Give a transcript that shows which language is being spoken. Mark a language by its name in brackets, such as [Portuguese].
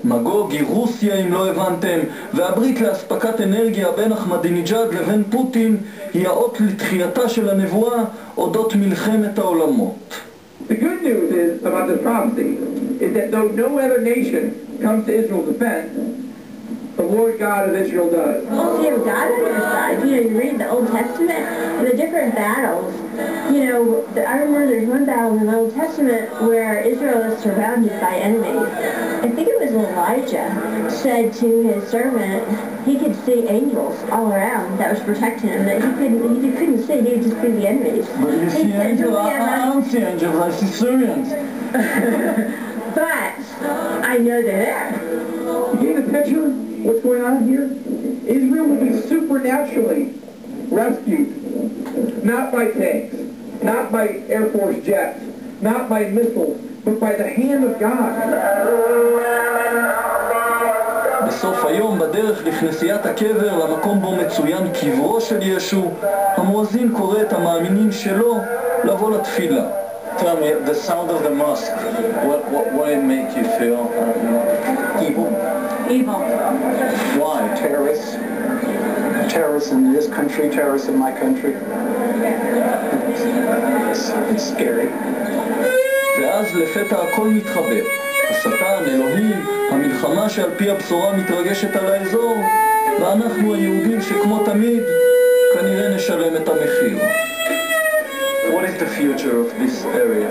[Hebrew] Magog, Russia, אם לא הבנתם, והברית להספקת אנרגיה בין אחמדינג'אד לבין פוטין היא האות לתחייתה של הנבואה אודות מלחמת העולמות. [English] The good news is about this prophecy is that though no other nation comes to Israel's defense, the Lord God of Israel does. Oh, you know, God on your side. You know, you read the Old Testament and the different battles. You know, I remember there's one battle in the Old Testament where Israel is surrounded by enemies. I think it was Elijah said to his servant, he could see angels all around that was protecting him, that he couldn't see, he could just see the enemies. But you see angels, I don't see angels, I see Syrians. But I know they're there. You get the picture? What's going on here? Israel will be supernaturally rescued. Not by tanks, not by Air Force jets, not by missiles, but by the hand of God. [Hebrew] בסוף היום, בדרך לכנסיית הקבר, למקום בו מצוין קברו של ישו, המואזין קורא את המאמינים שלו לבוא לתפילה. [English] Tell me, the sound of the mosque, what it make you feel? Evil. Evil. Why? Terrorists? Terrorists in this country, terrorists in my country? It's scary. [Hebrew] ואז לפתע הכל מתחבר. השטן, אלוהים, המלחמה שעל פי הבשורה מתרגשת על האזור, ואנחנו היהודים שכמו תמיד, כנראה נשלם את המחיר. [English] What is the future of this area?